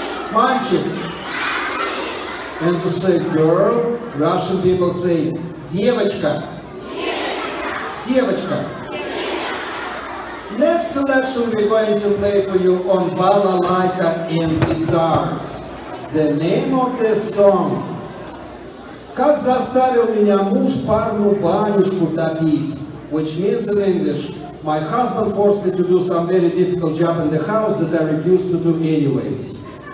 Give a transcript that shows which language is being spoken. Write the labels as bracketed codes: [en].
[en] Manchik. And to say girl, Russian people say девочка. [ru] Девочка. [en] Next selection we're going to play for you on balalaika and guitar. The name of this song. [ru] Как заставил меня муж парню банюшку топить? [en] Which means in English, my husband forced me to do some very difficult job in the house that I refused to do anyways.